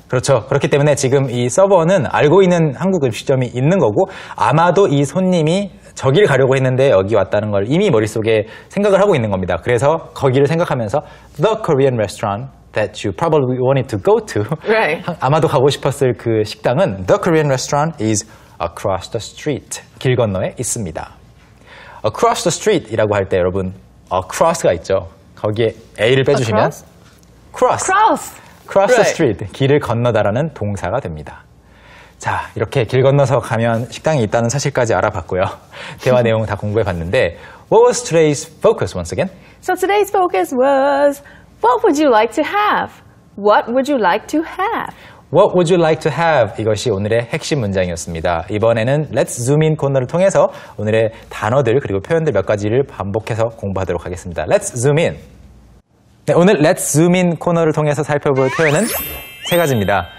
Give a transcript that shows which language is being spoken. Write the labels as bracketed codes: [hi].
[ko] 그렇죠. 그렇기 때문에 지금 이 서버는 알고 있는 한국 음식점이 있는 거고 아마도 이 손님이 저기를 가려고 했는데 여기 왔다는 걸 이미 머릿속에 생각을 하고 있는 겁니다. 그래서 거기를 생각하면서 [en] The Korean restaurant that you probably wanted to go to right. [ko] 아마도 가고 싶었을 그 식당은 [en] The Korean restaurant is across the street. [ko] 길 건너에 있습니다. [en] Across the street [ko] 이라고 할 때 여러분 across가 있죠. 거기에 A를 빼주시면 [en] across. Cross. Cross the street. [ko] 길을 건너다라는 동사가 됩니다. 자, 이렇게 길 건너서 가면 식당이 있다는 사실까지 알아봤고요. 대화 내용 다 공부해봤는데 [en] What was today's focus once again? So today's focus was What would you like to have? What would you like to have? What would you like to have? [ko] 이것이 오늘의 핵심 문장이었습니다. 이번에는 Let's Zoom In 코너를 통해서 오늘의 단어들 그리고 표현들 몇 가지를 반복해서 공부하도록 하겠습니다. Let's Zoom In! 네, 오늘 Let's Zoom In 코너를 통해서 살펴볼 표현은 세 가지입니다.